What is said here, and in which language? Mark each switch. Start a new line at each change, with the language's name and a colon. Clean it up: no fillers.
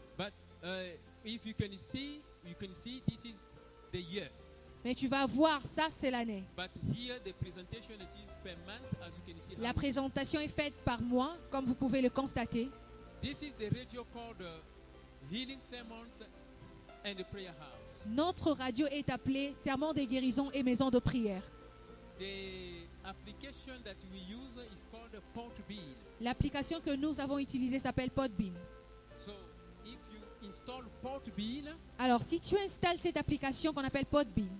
English: But if you can see, you can see this is the year.
French: Mais tu vas voir, ça c'est l'année.
English: But here, the presentation, it is per month, as you can see.
French: La présentation est faite par moi, comme vous pouvez le constater.
English: This is the radio called Healing Sermons and the Prayer House.
French: Notre radio est appelée Sermons de guérison et maison de prière.
English: The application that we use is called Podbean.
French: L'application que nous avons utilisée s'appelle Podbean.
English: So, if you install Podbean,
French: alors si tu installes cette application qu'on appelle Podbean,